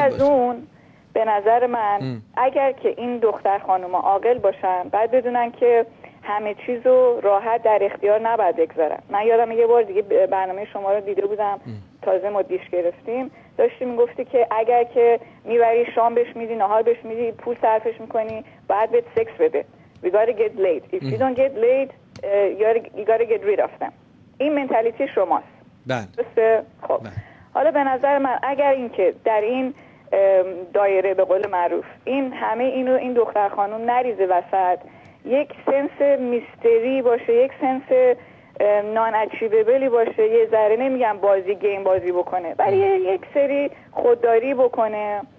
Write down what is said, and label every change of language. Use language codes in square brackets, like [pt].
[fa] بعد از اون به نظر من اگر که این دختر خانوما عاقل باشن، بعد بدونن که همه چیزو راحت در اختیار نباید بگذارن. من یادم یه بار دیگه برنامه شما رو دیده بودم، تازه ما دیش گرفتیم، داشتی میگفتی که اگر که میبری شام بهش میدی، نهار بهش میدی، پول صرفش میکنی، باید بهت سکس بده. [en] We gotta get laid. If you don't get laid, you gotta get rid of them. [fa] این منتالیتی شماست. بله. خب. حالا به نظر من اگر این که در این دایره به قول معروف این همه اینو این دختر خانم نریزه وسط، یک [en] sense mystery [fa] باشه، یک [en] sense non اچیویبلی [fa] باشه، یه ذره نمیگم بازی گیم بازی بکنه، ولی یک سری خودداری بکنه،